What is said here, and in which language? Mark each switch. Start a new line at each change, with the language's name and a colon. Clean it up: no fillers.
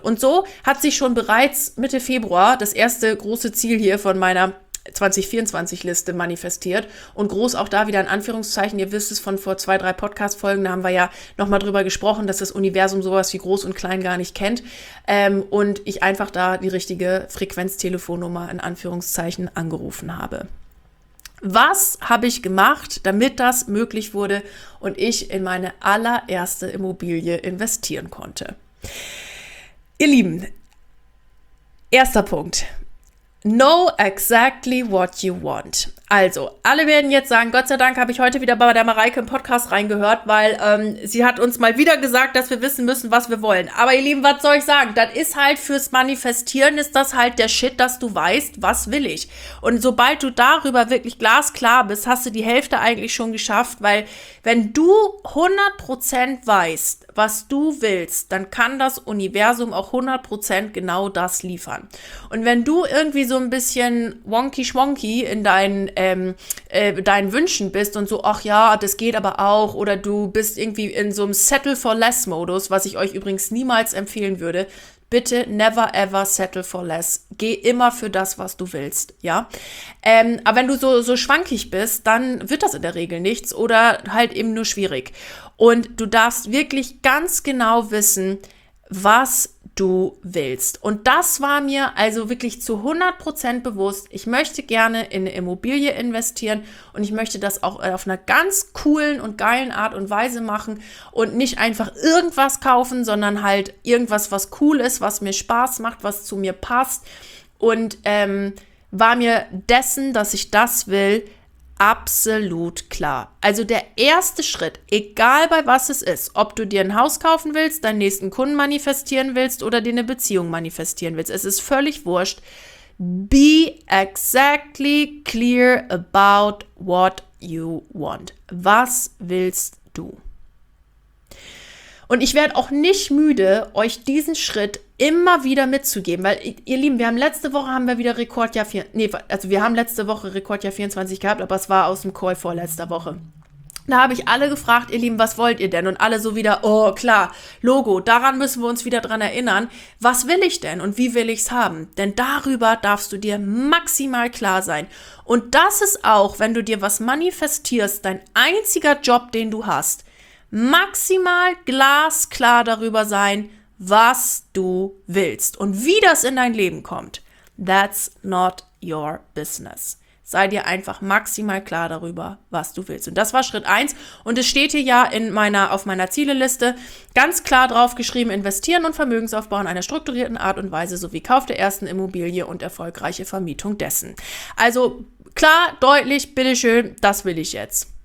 German: Und so hat sich schon bereits Mitte Februar das erste große Ziel hier von meiner 2024-Liste manifestiert und groß auch da wieder in Anführungszeichen, ihr wisst es von vor 2, 3 Podcast-Folgen, da haben wir ja nochmal drüber gesprochen, dass das Universum sowas wie groß und klein gar nicht kennt und ich einfach da die richtige Frequenztelefonnummer in Anführungszeichen angerufen habe. Was habe ich gemacht, damit das möglich wurde und ich in meine allererste Immobilie investieren konnte? Ihr Lieben, erster Punkt.
English: Know exactly what you want.
German: Also, alle werden jetzt sagen, Gott sei Dank habe ich heute wieder bei der Mareike im Podcast reingehört, weil sie hat uns mal wieder gesagt, dass wir wissen müssen, was wir wollen. Aber ihr Lieben, was soll ich sagen? Das ist halt fürs Manifestieren, ist das halt der Shit, dass du weißt, was will ich. Und sobald du darüber wirklich glasklar bist, hast du die Hälfte eigentlich schon geschafft, weil wenn du 100% weißt, was du willst, dann kann das Universum auch 100% genau das liefern. Und wenn du irgendwie so ein bisschen wonky-schwonky in deinen Wünschen bist und so, ach ja, das geht aber auch, oder du bist irgendwie in so einem Settle-for-Less-Modus, was ich euch übrigens niemals empfehlen würde, bitte
English: never ever settle for less.
German: Geh immer für das, was du willst, ja. Aber wenn du so schwankig bist, dann wird das in der Regel nichts oder halt eben nur schwierig. Und du darfst wirklich ganz genau wissen, was du willst. Und das war mir also wirklich zu 100% bewusst. Ich möchte gerne in eine Immobilie investieren und ich möchte das auch auf einer ganz coolen und geilen Art und Weise machen und nicht einfach irgendwas kaufen, sondern halt irgendwas, was cool ist, was mir Spaß macht, was zu mir passt. Und war mir dessen, dass ich das will, absolut klar. Also der erste Schritt, egal bei was es ist, ob du dir ein Haus kaufen willst, deinen nächsten Kunden manifestieren willst oder dir eine Beziehung manifestieren willst, es ist völlig wurscht.
English: Be exactly clear about what you want.
German: Was willst du? Und ich werde auch nicht müde, euch diesen Schritt immer wieder mitzugeben, weil ihr Lieben, wir haben letzte Woche Rekordjahr 24 gehabt, aber es war aus dem Call vorletzter Woche. Da habe ich alle gefragt, ihr Lieben, was wollt ihr denn? Und alle so wieder, oh klar, Logo, daran müssen wir uns wieder dran erinnern. Was will ich denn und wie will ich es haben? Denn darüber darfst du dir maximal klar sein. Und das ist auch, wenn du dir was manifestierst, dein einziger Job, den du hast, maximal glasklar darüber sein, was du willst und wie das in dein Leben kommt.
English: That's not your business.
German: Sei dir einfach maximal klar darüber, was du willst. Und das war Schritt 1. Und es steht hier ja auf meiner Zieleliste ganz klar draufgeschrieben, investieren und Vermögensaufbau in einer strukturierten Art und Weise sowie Kauf der ersten Immobilie und erfolgreiche Vermietung dessen. Also klar, deutlich, bitteschön, das will ich jetzt.